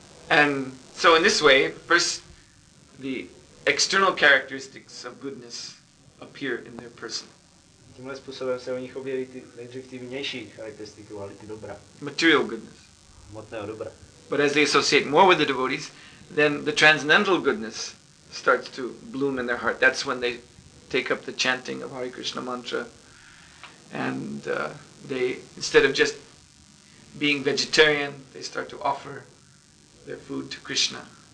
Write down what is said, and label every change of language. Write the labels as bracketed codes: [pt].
[en] And so in this way, first the external characteristics of goodness appear in their person. [cs] Tímhle způsobem se u nich objeví ty nejdřív ty vnější charakteristiky kvality dobra. [en] Material goodness. [cs] Hmotného dobra. [en] But as they associate more with the devotees, then the transcendental goodness starts to bloom in their heart. That's when they take up the chanting of Hare Krishna mantra. And they, instead of just being vegetarian, they start to offer their food to Krishna.